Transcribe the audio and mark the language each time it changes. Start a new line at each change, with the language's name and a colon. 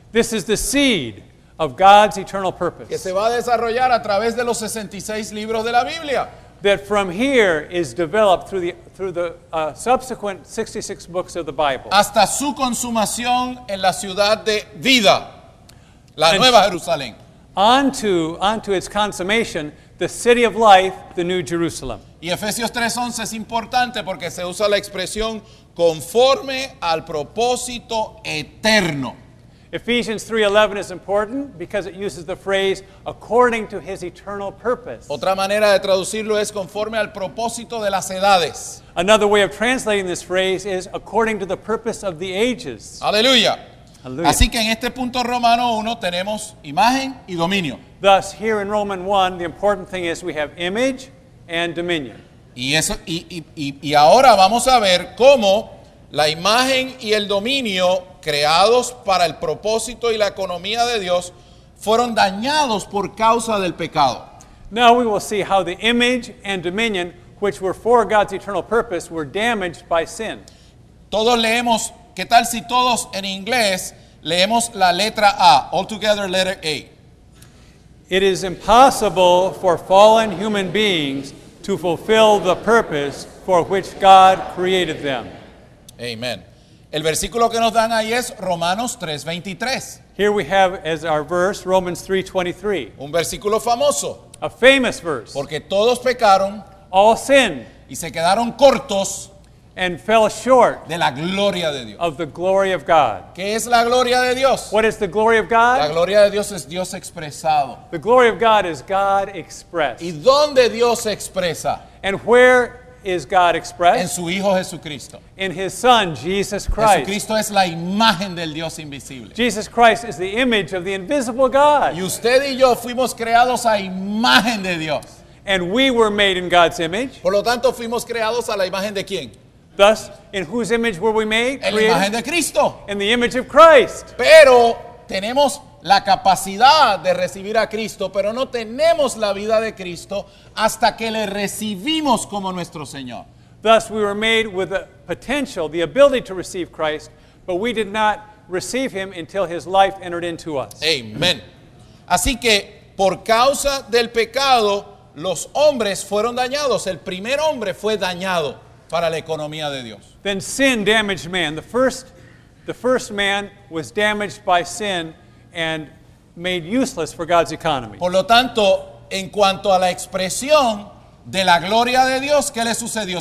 English: This is the seed of God's eternal purpose.
Spanish: Que se va a desarrollar a través de los 66 libros de la Biblia.
English: That from here is developed through the subsequent 66 books of the Bible.
Spanish: Hasta su consumación en la ciudad de vida, la and Nueva Jerusalén.
English: Onto its consummation, the city of life, the New Jerusalem.
Spanish: Y Efesios 3:11 es importante porque se usa la expresión conforme al propósito eterno.
English: Ephesians 3:11 is important because it uses the phrase according to his eternal purpose.
Spanish: Otra manera de traducirlo es conforme al propósito de las edades.
English: Another way of translating this phrase is according to the purpose of the ages.
Spanish: Aleluya.
English: Hallelujah.
Spanish: Así que en este punto Romano 1 tenemos imagen y dominio.
English: Thus here in Roman 1 the important thing is we have image and dominion.
Spanish: Y eso y ahora vamos a ver cómo la imagen y el dominio creados para el propósito y la economía de Dios fueron dañados por causa del pecado.
English: Now we will see how the image and dominion, which were for God's eternal purpose, were damaged by sin.
Spanish: Todos leemos, ¿qué tal si todos en inglés leemos la letra A?
English: All together, letter A. It is impossible for fallen human beings to fulfill the purpose for which God created them. Amen.
Spanish: El versículo que nos dan ahí es Romanos 3:23.
English: Here we have as our verse Romans 3:23.
Spanish: Un versículo famoso.
English: A famous verse.
Spanish: Porque todos pecaron.
English: All sinned.
Spanish: Y se quedaron cortos.
English: And fell short.
Spanish: De la gloria de Dios.
English: Of the glory of God.
Spanish: ¿Qué es la gloria de Dios?
English: What is the glory of God?
Spanish: La gloria de Dios es Dios expresado.
English: The glory of God is God expressed.
Spanish: ¿Y dónde Dios se expresa?
English: And where is God expressed?
Spanish: En su Hijo Jesucristo.
English: In his Son, Jesus Christ.
Spanish: Jesucristo es la imagen del Dios invisible.
English: Jesus Christ is the image of the invisible God.
Spanish: Y usted y yo fuimos creados a imagen de Dios.
English: And we were made in God's image.
Spanish: Por lo tanto, fuimos creados a la imagen de quién?
English: Thus, in whose image were we made?
Spanish: En la imagen de Cristo.
English: In the image of Christ.
Spanish: Pero tenemos la capacidad de recibir a Cristo, pero no tenemos la vida de Cristo hasta que le recibimos como nuestro Señor.
English: Thus, we were made with the potential, the ability to receive Christ, but we did not receive him until his life entered into us. Amen.
Spanish: Así que, por causa del pecado, los hombres fueron dañados. El primer hombre fue dañado para la economía de Dios.
English: Then sin damaged man. The first man was damaged by sin and made useless for God's economy.
Spanish: Por lo tanto, en cuanto a la expresión de la gloria de Dios, ¿qué le sucedió?